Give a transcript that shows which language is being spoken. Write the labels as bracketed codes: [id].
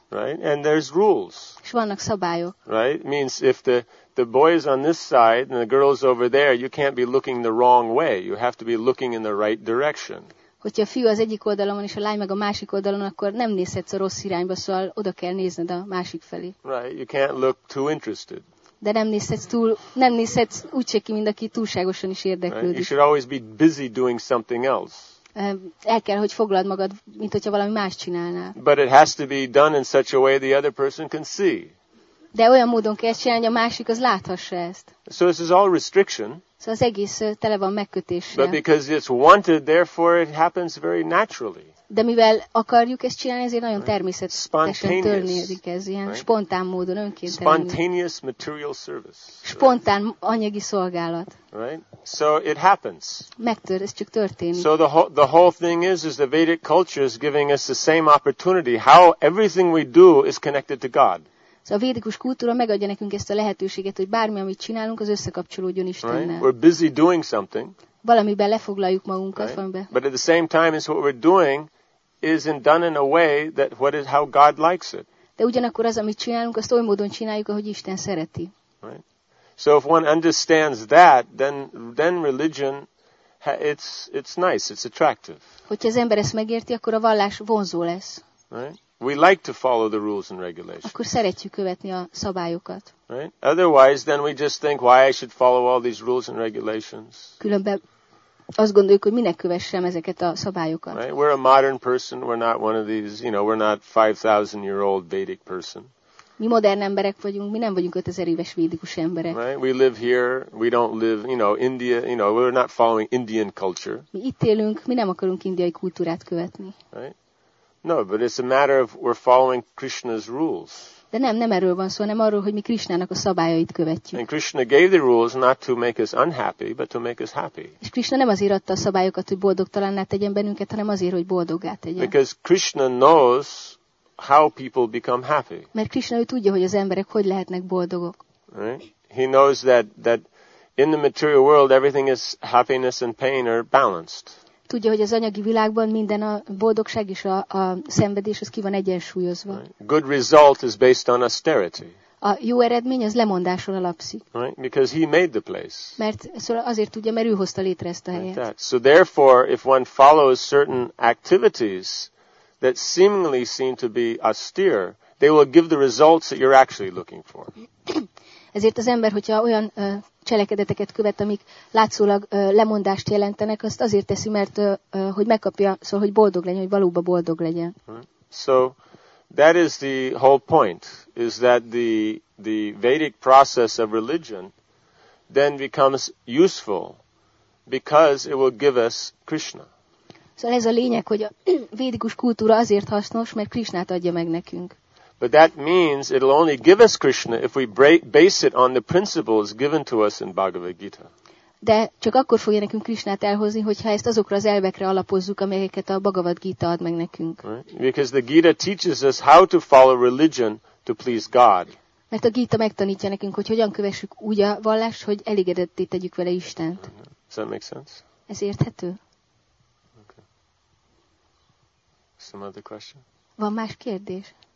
[en] Right? And there's rules. [hu] És vannak szabályok. [en] Right? Means if the boy is on this side and the girl is over there, you can't be looking the wrong way. You have to be looking in the right direction. [hu] Hogyha a fiú az egyik oldalon és a lány meg a másik oldalon, akkor nem nézhetsz a rossz irányba, szóval oda kell nézned a másik felé. [en] Right, you can't look too interested. [hu] De nem nézhetsz úgy se ki, mint aki túlságosan is érdeklődik. [en] Right? You should always be busy doing something else. [hu] El kell, hogy foglald magad, mint hogyha valami más csinálnál. [en] But it has to be done in such a way the other person can see. [hu] De olyan módon kell csinálni, hogy a másik az láthassa ezt. [en] So this is all restriction. [hu] Szóval az egész tele van megkötéssel. [en] But because it's wanted, therefore it happens very naturally. [hu] De mivel akarjuk ezt csinálni, ezért nagyon természetesen törnődik ez, ilyen [en] right? [hu] Spontán módon, önként. [en] Spontaneous material service. [hu] Spontán anyagi szolgálat. [en] Right? So it happens. [hu] Ez csak történik. [en] So the whole thing is the Vedic culture is giving us the same opportunity. How everything we do is connected to God. [hu] A védikus kultúra megadja nekünk ezt a lehetőséget, hogy bármi, amit csinálunk, az összekapcsolódjon Istennel. [en] Right? We're busy doing something. [hu] Valamiben lefoglaljuk magunkat, [en] right? [hu] Valamiben. [en] But at the same time, is what we're doing is done in a way that what is how God likes it. [hu] De ugyanakkor az, amit csinálunk, azt oly módon csináljuk, ahogy Isten szereti. [en] Right? So if one understands that, then religion, it's nice, it's attractive. [hu] Hogyha az ember ezt megérti, akkor a vallás vonzó lesz. [en] Right? We like to follow the rules and regulations. [hu] Akkor szeretjük követni a szabályokat. [en] Right? Otherwise, then we just think, why I should follow all these rules and regulations? [hu] Különben azt gondoljuk, hogy minek kövessem ezeket a szabályokat. [en] Right? We're a modern person. We're not one of these, you know, we're not 5,000-year-old Vedic person. [hu] Mi modern emberek vagyunk. Mi nem vagyunk 5000 éves védikus emberek. [en] Right? We live here. We don't live, you know, India. You know, we're not following Indian culture. [hu] Mi itt élünk. Mi nem akarunk indiai kultúrát követni. [en] Right? No, but it's a matter of we're following Krishna's rules. [hu] De nem erről van szó, hanem arról, hogy mi Krishnának a szabályait követjük. [en] And Krishna gave the rules not to make us unhappy, but to make us happy. [hu] És Krishna nem azért adta a szabályokat, hogy boldogtalanná tegyen bennünket, hanem azért, hogy boldoggá tegyen. [en] Because Krishna knows how people become happy. [hu] Mert Krishna ő tudja, hogy az emberek hogy lehetnek boldogok. [en] Right? He knows that in the material world everything is happiness and pain are balanced. [hu] tudja, hogy az anyagi világban minden a boldogság és a szenvedés az ki van egyensúlyozva. [en] Right. Good result is based on austerity. [hu] A jó eredmény az lemondáson alapszik. [en] Right? Because he made the place. [hu] Mert szóval azért tudja, mert ő hozta létre ezt a helyet. [en] Like so therefore, if one follows certain activities that seemingly seem to be austere, they will give the results that you're actually looking for. [hu] Ezért az ember, hogyha olyan cselekedeteket követ, amik látszólag lemondást jelentenek, azt azért teszi, mert hogy megkapja, szóval hogy boldog legyen, hogy valóban boldog legyen. [en] Right. So that is the whole point, is that the Vedic process of religion then becomes useful because it will give us Krishna. [hu] Szóval ez a lényeg, hogy a védikus kultúra azért hasznos, mert Krishnát adja meg nekünk. [en] But that means it'll only give us Krishna if we base it on the principles given to us in Bhagavad Gita. [hu] De csak akkor fogja nekünk Krishnát elhozni, hogyha ezt azokra az elvekre alapozzuk, amelyeket a Bhagavad Gita ad meg nekünk. [en] Right? Because the Gita teaches us how to follow religion to please God. [hu] Mert a Gita megtanítja nekünk, hogy hogyan kövessük úgy a vallást, hogy elégedetté tegyük vele Istent. [en] Does that make sense? [hu] Ez érthető? [en] Okay. Some other question? [hu] Van más kérdés?